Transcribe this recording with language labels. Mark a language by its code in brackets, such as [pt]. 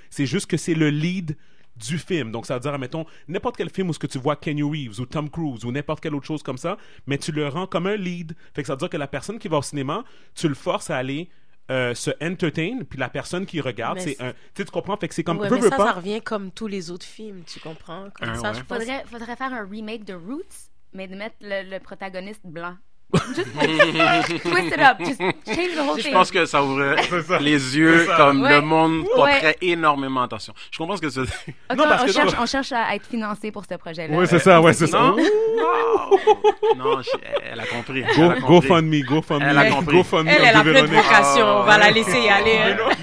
[fr] C'est juste que c'est le lead du film. Donc, ça veut dire, admettons, n'importe quel film où ce que tu vois Keanu Reeves ou Tom Cruise ou n'importe quelle autre chose comme ça, mais tu le rends comme un lead. Fait que ça veut dire que la personne qui va au cinéma, tu le forces à aller se entertain, puis la personne qui regarde, mais c'est un... Tu sais, tu comprends? Fait que c'est comme... Ouais, mais ça revient comme tous les autres films, tu comprends? Comme ça, ouais. Faudrait faire un remake de Roots, mais de mettre le protagoniste blanc. [en] Just twist it up, just change the whole thing. [fr] Je pense que ça ouvrait les yeux comme ouais. le monde porterait ouais. énormément attention. Je comprends ce que tu veux dire. Non, parce on cherche à être financé pour ce projet-là. Oui, c'est ça, ouais, c'est non? ça. Elle a compris. GoFundMe. Elle a compris. GoFundMe. Elle a plein de vocation. On va la laisser y aller.